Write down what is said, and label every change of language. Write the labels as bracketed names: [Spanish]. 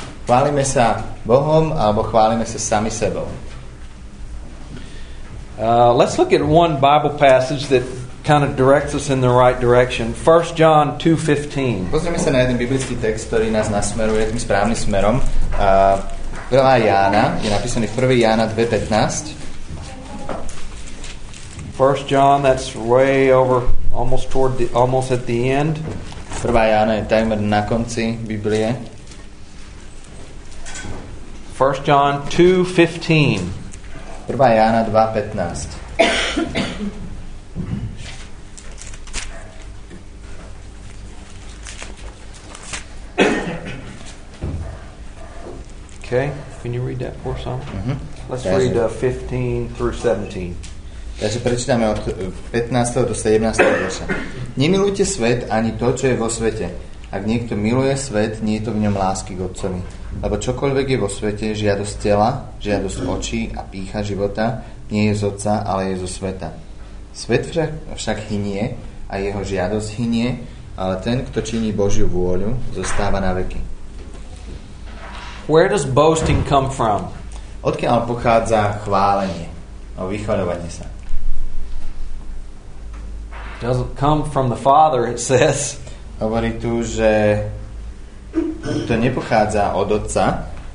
[Slovak] Chválime sa Bohom alebo chválime sa sami sebou? [English] Let's look at one Bible passage that kind of directs us in the right direction. 1 John 2:15. [Slovak] Pozrieme sa na jeden biblický text, ktorý nás nasmeruje tým správnym smerom. Prvá Jána, je napísaný 1 Jána 2:15. [English] 1 John, that's way over, almost toward the, almost at the end. [Slovak] Prvá Jána je takmer na konci Biblie. [English] 1 John 2:15. [Slovak] Prvá Jána 2:15. [English] Okay, can you read that for some? Let's read 15 through 17. [Slovak] Takže prečítame od 15. do 17. verša. Nemilujte svet ani to, čo je vo svete. Ak niekto miluje svet, nie je to v ňom lásky k Otcovi. Lebo čokoľvek je vo svete, žiadosť tela, žiadosť očí a pýcha života, nie je z Otca, ale je zo sveta. Svet však hynie a jeho žiadosť hynie, ale ten, kto činí Božiu vôľu, zostáva na veky. [English] Where does boasting come from? [Slovak] Odkiaľ pochádza chválenie, alebo vychvaľovanie sa? [English] Doesn't come from the Father, it says. [Slovak] Hovorí tu, že to nepochádza od Otca.